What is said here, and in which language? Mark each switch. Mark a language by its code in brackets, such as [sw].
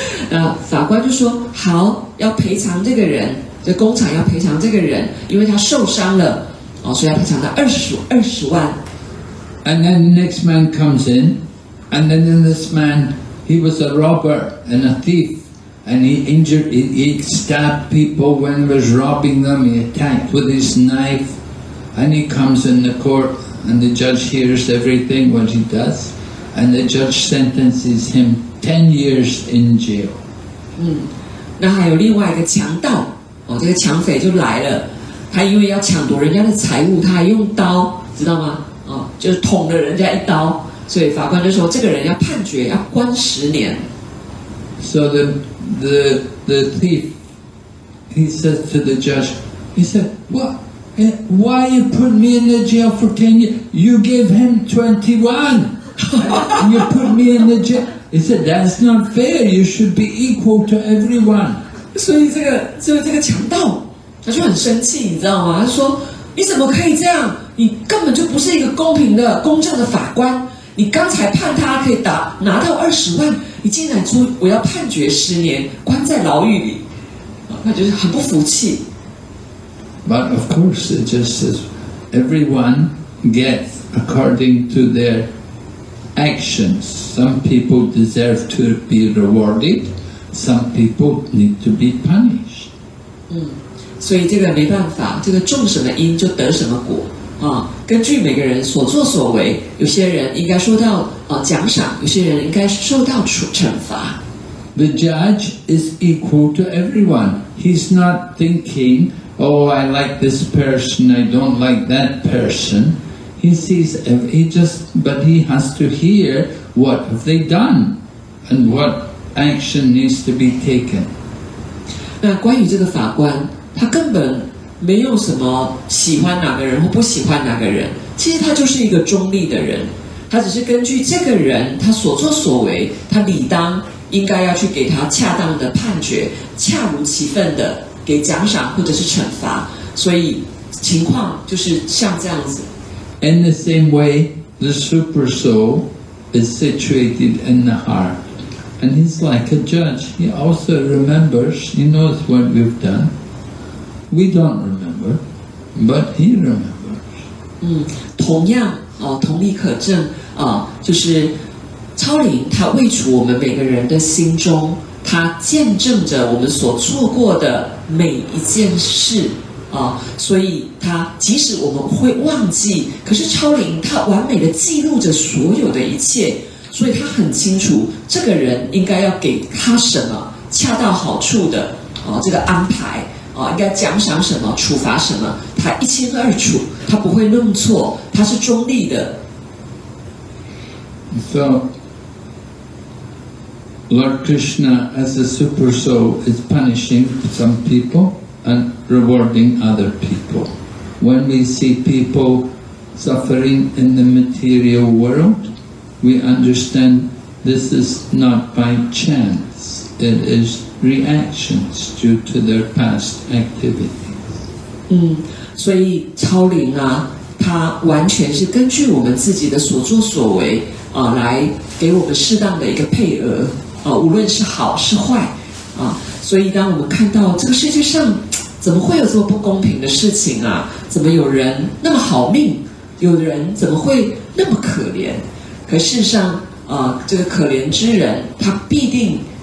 [zh] 然后法官就说好，要赔偿这个人，这工厂要赔偿这个人，因为他受伤了，所以要赔偿他二十万。 [en] And then the next man comes in, and then this man, he was a robber and a thief, and he stabbed people when he was robbing them. He attacked with his knife, and he comes in the court, and the judge hears everything what he does, and the judge sentences him. 10 years in jail. [zh] 那还有另外一个强盗，这个强匪就来了，他因为要抢夺人家的财物，他还用刀，知道吗？就是捅了人家一刀，所以法官就说这个人要判决，要关10年。 [en] So the thief, he says to the judge, he said, why you put me in the jail for 10 years? You gave him 21, and you put me in the jail. He said, that's not fair, you should be equal to everyone. [zh] 所以这个强盗他就很生气，你知道吗？他说你怎么可以这样，你根本就不是一个公平的公正的法官，你刚才判他可以拿到20万，你竟然说我要判决10年关在牢狱里，他就是很不服气。 [en] But of course it just says everyone gets according to theirActions. Some people deserve to be rewarded. Some people need to be punished. [zh] 所以这个没办法，这个种什么因就得什么果啊。根据每个人所作所为，有些人应该受到奖赏，有些人应该受到惩罚。 [en] The judge is equal to everyone. He's not thinking, oh, I like this person, I don't like that person. But he has to hear what have they done and what action needs to be taken. [zh] 那关于这个法官，他根本没有什么喜欢哪个人或不喜欢哪个人，其实他就是一个中立的人，他只是根据这个人他所作所为，他理当应该要去给他恰当的判决，恰如其分的给奖赏或者是惩罚，所以情况就是像这样子。 [en] In the same way, the super soul is situated in the heart. And he's like a judge. He also remembers, he knows what we've done. We don't remember, but he remembers. [zh] 同样同理可证就是超灵他位处我们每个人的心中，他见证着我们所做过的每一件事所以他即使我们会忘记，可是超灵他完美的记录着所有的一切，所以他很清楚这个人应该要给他什么恰到好处的这个安排应该奖赏什么处罚什么，他一清二楚，他不会弄错，他是中立的。 [en] So Lord Krishna as a super soul is punishing some people and rewarding other people. When we see people suffering in the material world, we understand this is not by chance. It is reactions due to their past activities. [zh] 所以超灵啊，它完全是根据我们自己的所作所为来给我们适当的一个配额无论是好是坏所以当我们看到这个世界上怎么会有这么不公平的事情啊，怎么有人那么好命，有人怎么会那么可怜，可事实上这个可怜之人他必定